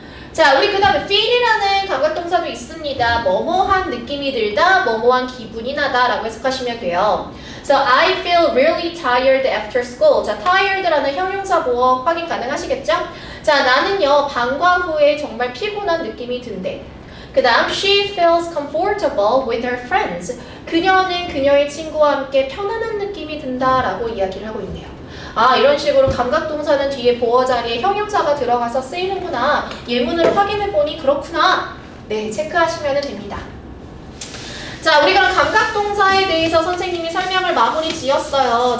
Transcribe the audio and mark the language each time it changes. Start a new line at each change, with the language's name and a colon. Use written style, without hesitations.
Korean: 자, 우리 그 다음에 feel이라는 감각동사도 있습니다. 뭐뭐한 느낌이 들다, 뭐뭐한 기분이 나다 라고 해석하시면 돼요.
English: So I feel really tired after school.
Korean: 자, tired라는 형용사 보어 확인 가능하시겠죠? 자, 나는요 방과 후에 정말 피곤한 느낌이 든대. 그 다음
English: she feels comfortable with her friends.
Korean: 그녀는 그녀의 친구와 함께 편안한 느낌이 든다 라고 이야기를 하고 있네요. 아, 이런 식으로 감각동사는 뒤에 보어 자리에 형용사가 들어가서 쓰이는구나. 예문을 확인해보니 그렇구나. 네, 체크하시면 됩니다. 자, 우리 그럼 감각동사에 대해서 선생님이 설명을 마무리 지었어요.